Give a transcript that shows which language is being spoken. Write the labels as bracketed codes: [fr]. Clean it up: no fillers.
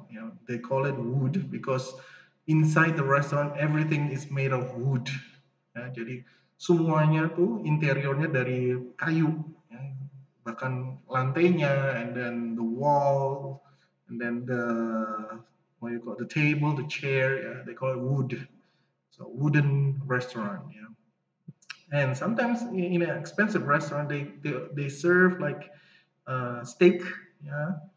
[en] You know, they call it wood because inside the restaurant everything is made of wood. [id] Yeah, jadi semuanya tuh interiornya dari kayu. [en] Yeah, [id] bahkan lantainya [en] and then the wall. And then the table, the chair, yeah, they call it wood. So wooden restaurant, yeah. And sometimes in an expensive restaurant, they serve like steak, yeah.